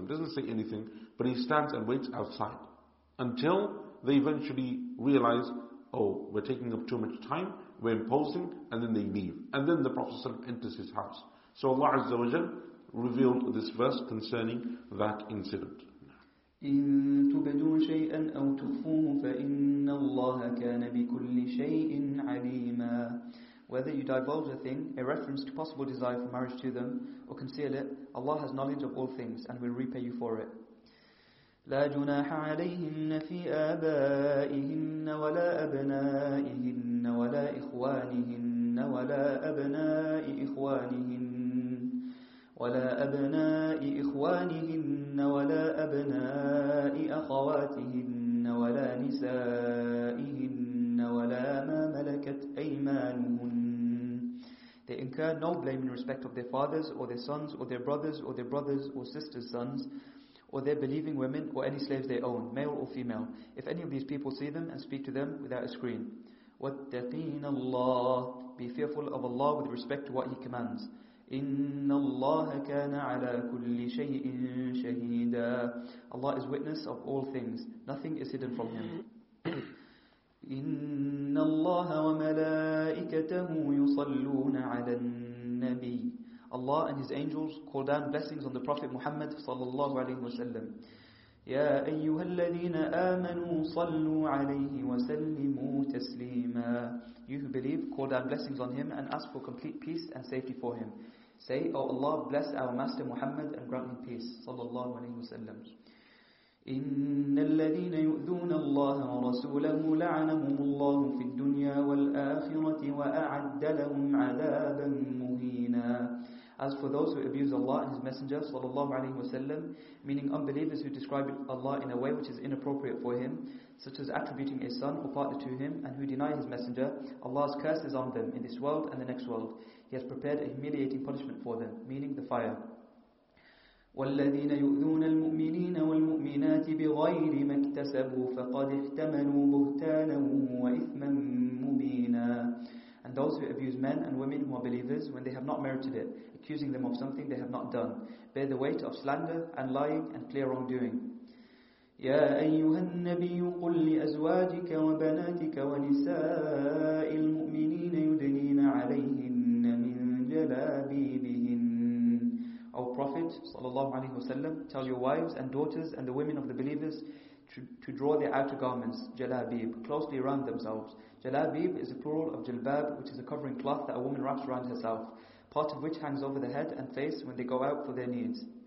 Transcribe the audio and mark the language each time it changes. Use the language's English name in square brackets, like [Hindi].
[English] He doesn't say anything, but he stands and waits outside. Until they eventually realize, oh, we're taking up too much time, we're imposing, and then they leave. And then the Prophet ﷺ enters his house. So Allah [Arabic] Azza wa Jal [English] revealed this verse concerning that incident. [Arabic] إن تبدوا شيئا أو تخفوه فإن الله كان بكل شيء عليما. [English] Whether you divulge a thing, a reference to possible desire for marriage to them, or conceal it, Allah has knowledge of all things and will repay you for it. [Arabic] لا جناح عليهن في آبائهن ولا أبنائهن ولا إخوانهن ولا أبناء إخوانهن ولا أبناء إخوانهن ولا أبناء أخواتهن ولا نسائهن ولا ما ملكت أيمانهن. [English] They incur no blame in respect of their fathers or their sons or their brothers or their brothers or sisters' sons or their believing women or any slaves they own, male or female, if any of these people see them and speak to them without a screen. [Arabic] وَاتَّقِينَ اللَّهِ. [English] Be fearful of Allah with respect to what He commands. [Arabic] إِنَّ اللَّهَ كَانَ عَلَى كُلِّ شَيْءٍ شَهِيدًا. [English] Allah is witness of all things. Nothing is hidden from Him. [Arabic] إِنَّ اللَّهَ وَمَلَائِكَتَهُ يُصَلُّونَ عَلَى النَّبِيِّ. [English] Allah and His angels call down blessings on the Prophet Muhammad [Arabic] صلى الله عليه وسلم. يَا أَيُّهَا الَّذِينَ آمَنُوا صَلُّوا عَلَيْهِ وَسَلِّمُوا تَسْلِيمًا. [English] You who believe, call down blessings on him and ask for complete peace and safety for him. Say, O Allah, bless our Master Muhammad and grant him peace. [Arabic] صلى الله عليه وسلم. إن الذين يؤذون الله ورسوله لعنهم الله في الدنيا والآخرة وأعد لهم عذابا مهينا. [English] As for those who abuse Allah and His Messenger [Arabic] صلى الله عليه وسلم, [English] meaning unbelievers who describe Allah in a way which is inappropriate for Him, such as attributing a son or partner to Him, and who deny His Messenger, Allah's curse is on them in this world and the next world. He has prepared a humiliating punishment for them, meaning the fire. [Arabic] والذين يؤذون المؤمنين والمؤمنات بغير ما اكتسبوا فقد احتملوا بهتانا وإثما مبينا. [English] And those who abuse men and women who are believers when they have not merited it, accusing them of something they have not done, bear the weight of slander and lying and clear wrongdoing. [Arabic] يا أيها النبي قل لأزواجك وبناتك ونساء المؤمنين يدنين عليهن من جلابيبهن. [English] O Prophet وسلم, tell your wives and daughters and the women of the believers to draw their outer garments, jalabib, closely around themselves. Jalabib is a plural of jalbab, which is a covering cloth that a woman wraps around herself, part of which hangs over the head and face when they go out for their needs.